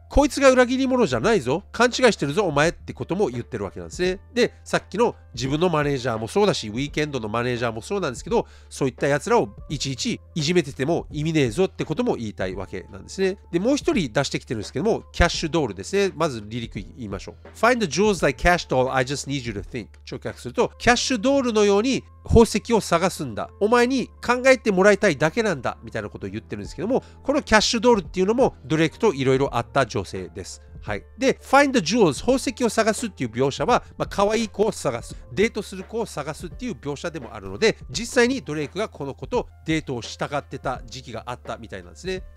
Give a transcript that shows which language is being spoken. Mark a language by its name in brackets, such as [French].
[Japanese] こいつが裏切り者じゃないぞ、勘違いしてるぞお前ってことも言ってるわけなんですね。で、さっきの自分のマネージャーもそうだし、し、ウィーケンドのマネージャーもそうなんですけど、そういったやつらをいちいちいじめてても意味ねえぞってことも言いたいわけなんですね。でもう一人出してきてるんですけども、キャッシュドールですね。まずリリック言いましょう。 [English] Find the jewels like cash doll, I just need you to think。 [Japanese] 直訳するとキャッシュドールのように宝石を探すんだ、お前に考えてもらいたいだけなんだみたいなことを言ってるんですけども、このキャッシュドールっていうのもドレイクといろいろあった女性です。はい、で [English] Find the jewels、 [Japanese] 宝石を探すっていう描写は、まあ、可愛い子を探す、デートする子を探すっていう描写でもあるので、実際にドレイクがこの子とデートをしたがってた時期があったみたいなんですね。